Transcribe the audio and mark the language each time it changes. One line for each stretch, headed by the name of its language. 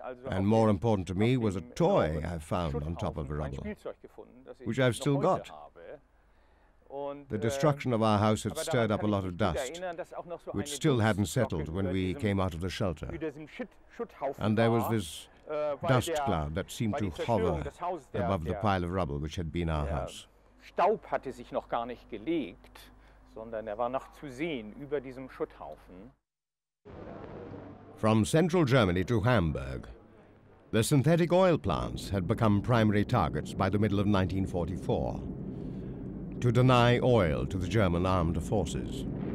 English: And more important to me was a toy I found on top of the rubble, which I've still got. The destruction of our house had stirred up a lot of dust, which still hadn't settled when we came out of the shelter. And there was this dust cloud that seemed to hover above the pile of rubble which had been our house.
German: Staub hatte sich noch gar nicht gelegt, sondern war noch zu sehen über diesem Schutthaufen.
English: From central Germany to Hamburg, the synthetic oil plants had become primary targets by the middle of 1944 to deny oil to the German armed forces.